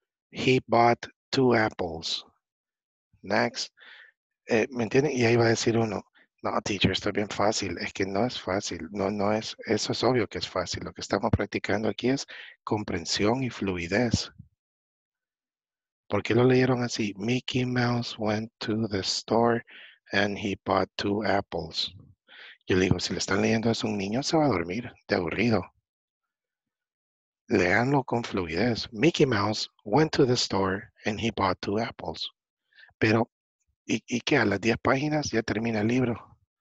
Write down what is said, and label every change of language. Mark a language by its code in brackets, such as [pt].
[en] He bought 2 apples. Next. [es] ¿Me entienden? Y ahí va a decir uno, no, teacher, esto es bien fácil. Es que no es fácil. No es. Eso es obvio que es fácil. Lo que estamos practicando aquí es comprensión y fluidez. ¿Por qué lo leyeron así? [en] Mickey Mouse went to the store and he bought 2 apples. [es] Yo le digo, si le están leyendo es un niño, se va a dormir de aburrido. Leanlo con fluidez. [en] Mickey Mouse went to the store and he bought 2 apples. [es] Pero, ¿y qué? A las 10 páginas ya termina el libro.